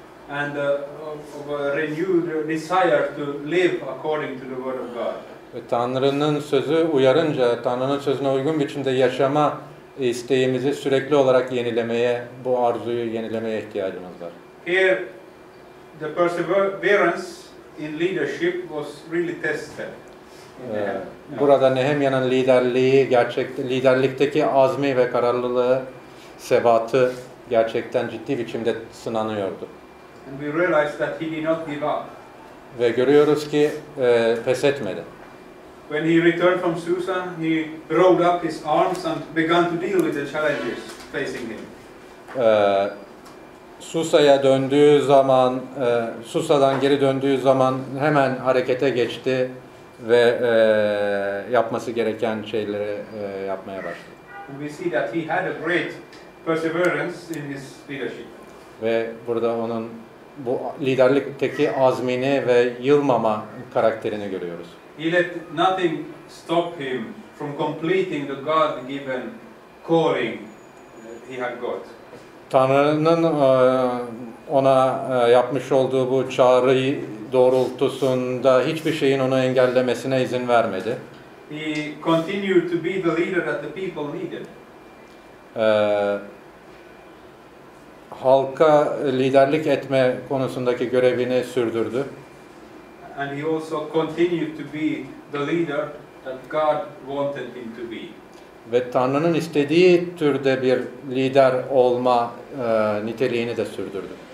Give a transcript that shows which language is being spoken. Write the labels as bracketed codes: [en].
[en] And of a renewed desire to live according to the word of God. [tr] Ve Tanrı'nın sözü uyarınca Tanrı'nın sözüne uygun biçimde yaşama isteğimizi sürekli olarak yenilemeye, bu arzuyu yenilemeye ihtiyacımız var. [en] Here the perseverance in leadership was really tested. [tr] Burada Nehemya'nın liderliği gerçekten liderlikteki azmi ve kararlılığı sebatı gerçekten ciddi biçimde sınanıyordu. [en] And we realize that he did not give up. [tr] Ve görüyoruz ki pes etmedi. [en] When he returned from Susa, he rolled up his arms and began to deal with the challenges facing him. [tr] Susa'ya döndüğü zaman, Susa'dan geri döndüğü zaman hemen harekete geçti ve yapması gereken şeyleri yapmaya başladı. [en] We see that he had a great perseverance in his leadership. [tr] Ve burada onun bu liderlikteki azmini ve yılmama karakterini görüyoruz. [en] He let nothing stop him from completing the God-given calling he had got. [tr] Tanrı'nın ona yapmış olduğu bu çağrıyı doğrultusunda hiçbir şeyin onu engellemesine izin vermedi. [en] He continued to be the leader that the people needed. [tr] Halka liderlik etme konusundaki görevini sürdürdü. [en] And he also continued to be the leader that God wanted him to be. [tr] Ve Tanrı'nın istediği türde bir lider olma niteliğini de sürdürdü.